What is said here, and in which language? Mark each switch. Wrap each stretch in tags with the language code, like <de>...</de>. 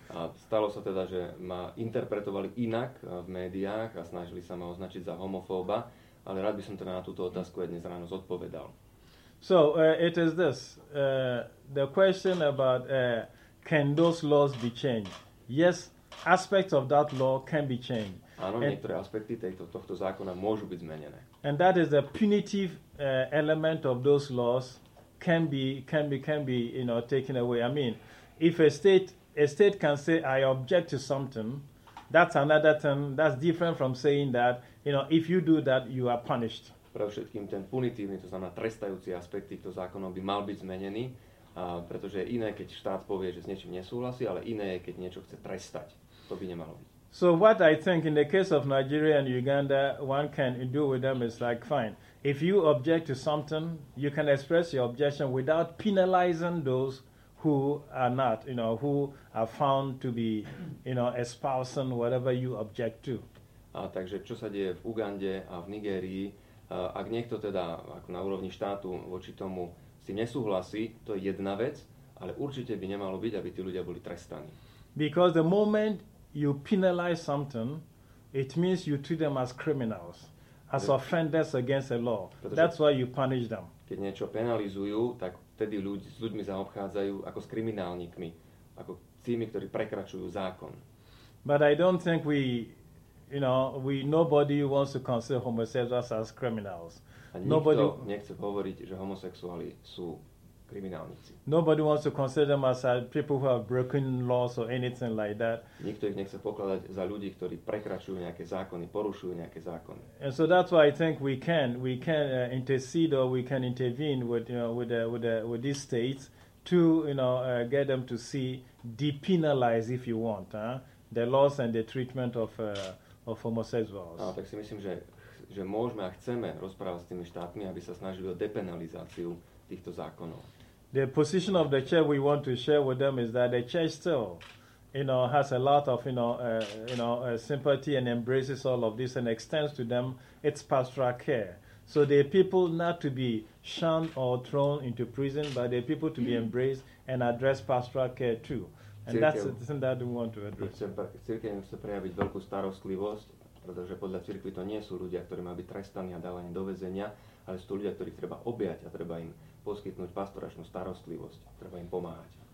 <sk>A stalo sa teda, že ma interpretovali inak v médiách a snažili sa ma označiť za homofóba, ale rád by som teda na túto otázku aj dnes ráno zodpovedal.</sk> <en>So it is this, the question about can those laws be changed? Yes, aspects of that law can be changed.</en> <sk>Áno, niektoré aspekty tohto zákona môžu byť zmenené.</sk> <en>And that is the punitive element of those laws can be you know, taken away. I mean, if a state can say I object to something, that's another thing, that's different from saying that, you know, if you do that, you are punished.</en> <sk>Pre všetkým ten punitívny, to znamená trestajúci aspekt týchto zákonov by mal byť zmenený, pretože iné, keď štát povie, že s niečím nesúhlasí, ale iné je, keď niečo chce trestať. To by nemalo byť.</sk> <en>So what I think in the case of Nigeria and Uganda, one can do with them is like, fine, if you object to something, you can express your objection without penalizing those who are not, you know, who are found to be, you know, espousing whatever you object to.</en> <sk>A takže čo sa deje v Ugande a v Nigérii, ak niekto teda ako na úrovni štátu voči tomu si nesúhlasí, to je jedna vec, ale určite by nemalo byť, aby tí ľudia boli trestaní.</sk> <en>Because the moment you penalize something, it means you treat them as criminals, as offenders against the law. That's why you punish them.</en> <sk>Keď niečo penalizujú, tak vtedy ľudí s ľuďmi zaobchádzajú ako s kriminálnikmi, ako tými, ktorí prekračujú zákon.</sk> <en>But I don't think we you know, we nobody wants to consider homosexuals as criminals. Nobody</en> <sk>nechce hovoriť, že homosexuáli sú kriminálnici.</sk> <en>Nobody wants to consider them as people who have broken laws or anything like that.</en> <sk>Nikto ich nechce pokladať za ľudí, ktorí prekračujú nejaké zákony, porušujú nejaké zákony.</sk> <en>And so that's why I think we can intercede or we can intervene with, you know, with these states to, you know, get them to see, depenalize if you want, the laws and the treatment of homosexuals.</en> <sk>No, tak si myslím, že môžeme a chceme rozprávať s tými štátmi, aby sa snažili o depenalizáciu týchto zákonov.</sk> <en>The position of the church we want to share with them is that the church still, you know, has a lot of, you know, sympathy and embraces all of this and extends to them its pastoral care. So the people not to be shunned or thrown into prison, but the people to be embraced and address pastoral care too. And</en> <sk>církev,</sk> <en>that's the thing that we want to address.</en> <sk>Cirkev chce prejaviť veľkú starostlivosť, pretože podľa cirkvi to nie sú ľudia, ktorí má byť trestaní a dávaní do väzenia, ale sú to ľudia, ktorých treba objať a treba im poskytnúť pastoračnú starostlivosť, treba im pomáhať.</sk>